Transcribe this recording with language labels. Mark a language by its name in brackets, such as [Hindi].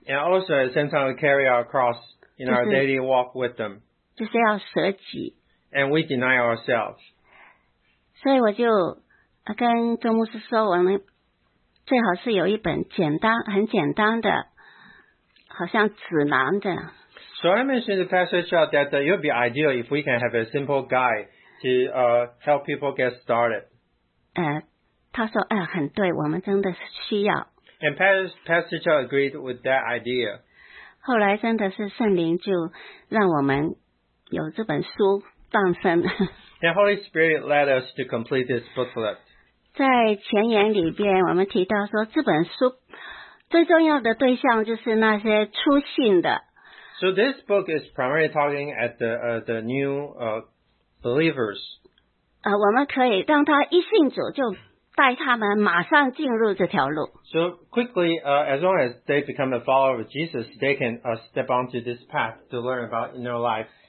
[English] And also at the same time we carry our cross in our daily walk with them. [Chinese] 就是要舍己。 [English] And we deny ourselves. [Chinese] 所以我就跟周牧师说，我们最好是有一本简单、很简单的，好像指南的。 [English] So I mentioned to Pastor Chow that it would be ideal if we can have a simple guide to help people get started. [Chinese] 他说：“哎，很对，我们真的需要。” [English] And Pastor Chow agreed with that idea. [Chinese] 后来真的是圣灵就让我们有这本书诞生。 [English] The Holy Spirit led us to complete this booklet. [Chinese] 在前言里边，我们提到说，这本书最重要的对象就是那些初信的。 [English] So this book is primarily talking at the new believers. [Chinese] 我们可以让他一信主就。带他们马上进入这条路。 [English] So quickly, as long as they become a follower of Jesus, they can step onto this path to learn about inner life.